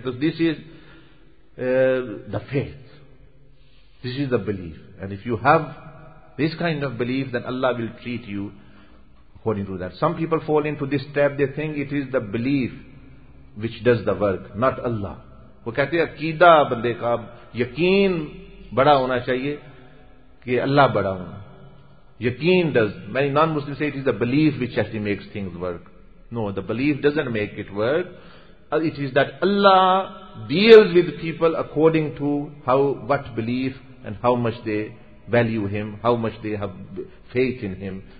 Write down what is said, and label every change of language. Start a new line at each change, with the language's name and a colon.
English: So this is the faith, this is the belief, and if you have this kind of belief, then Allah will treat you according to that. Some people fall into this trap. They think it is the belief which does the work, not Allah.
Urdu: وہ کہتے ہیں عقیدہ بندے کا یقین بڑا ہونا چاہیے کہ اللہ بڑا ہوں.
English: یقین does. Many non-Muslims say it is the belief which actually makes things work. No, the belief doesn't make it work. It is that Allah deals with people according to what belief and how much they value Him, how much they have faith in Him.